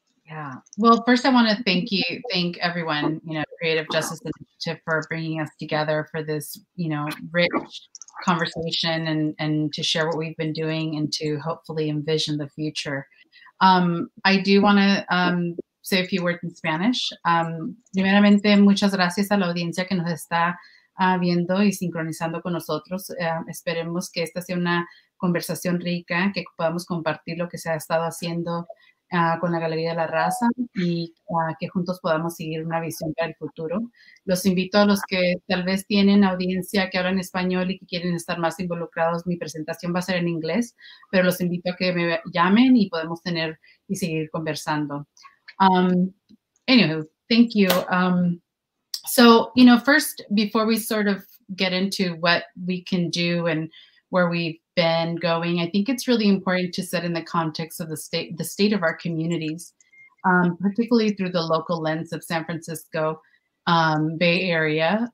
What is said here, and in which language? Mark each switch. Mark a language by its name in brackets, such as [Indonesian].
[English] Yeah. Well, first, I want to thank everyone, you know, Creative Justice Initiative for bringing us together for this, you know, rich conversation and to share what we've been doing and to hopefully envision the future. I do want to say a few words in Spanish. [Spanish] Primeramente, muchas gracias a la audiencia que nos está viendo y sincronizando con nosotros. Esperemos que esta sea una conversación rica, que podamos compartir lo que se ha estado haciendo con la Galería de la Raza y que juntos podamos seguir una visión para el futuro. Los invito a los que tal vez tienen audiencia que hablan español y que quieren estar más involucrados, mi presentación va a ser en inglés, pero los invito a que me llamen y podemos tener y seguir conversando. [English] Thank you. So, you know, first, before we sort of get into what we can do and where we've been going, I think it's really important to set in the context of the state of our communities, particularly through the local lens of San Francisco Bay Area.